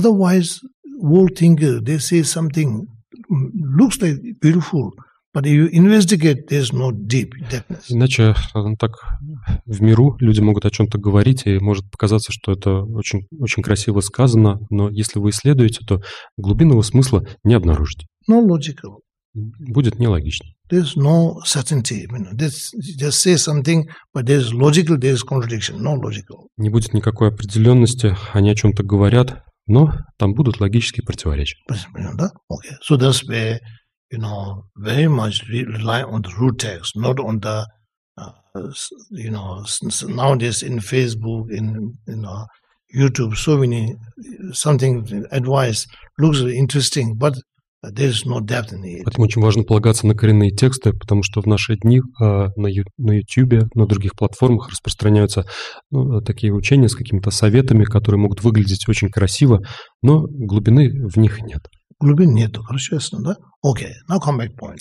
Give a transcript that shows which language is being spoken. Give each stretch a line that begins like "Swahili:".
English: Otherwise, world thinker, they say something, looks like beautiful, But if you investigate, there's no deep depth.
Russian: Иначе, так в миру люди могут о чем-то говорить, и может показаться, что это очень, очень красиво сказано, но если вы исследуете, то глубинного смысла не обнаружите.
English: No logical.
Russian: Будет нелогично.
English: There's no certainty. I mean, just say something, but there's logical, there's contradiction. No logical.
Russian: Не будет никакой определенности, они о чем-то говорят, но там будут логические противоречия. Да?
English: Okay. So that's where, you know, very much rely on the root text, not on the, you know, nowadays in Facebook, in, you know, YouTube, so many, something, advice looks interesting, but there's no depth in it.
Russian: Поэтому очень важно полагаться на коренные тексты, потому что в наши дни на YouTube, на других платформах распространяются такие учения с какими-то советами, которые могут выглядеть очень красиво, но глубины в них нет. Глубины нет, хорошо, ясно, да?
English: Okay, now come back point.